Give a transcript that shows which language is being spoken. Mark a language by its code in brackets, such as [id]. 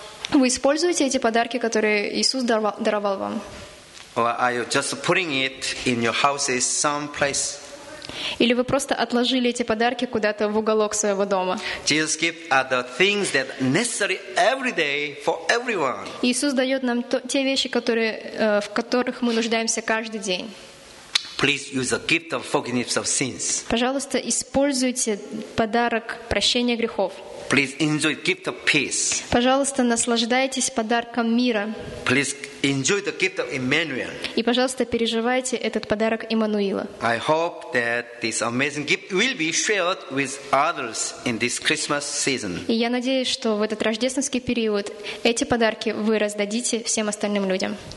[ru] Вы используете эти подарки, которые Иисус даровал вам? [en] Or are you just putting it in your houses someplace? [ru] Или вы просто отложили эти подарки куда-то в уголок своего дома? [en] Jesus gives us the things that are necessary every day for everyone. [ru] Иисус дает нам те вещи, которые, в которых мы нуждаемся каждый день. [en] Please use the gift of forgiveness of sins. [ru] Пожалуйста, используйте подарок прощения грехов. [en] Please enjoy the gift of peace. [ru] Пожалуйста, наслаждайтесь подарком мира. [en] Please enjoy the gift of Emmanuel. [ru] И, пожалуйста, переживайте этот подарок Эммануила. [en] I hope that this amazing gift will be shared with others in this Christmas season. [ru] И я надеюсь, что в этот рождественский период эти подарки вы раздадите всем остальным людям.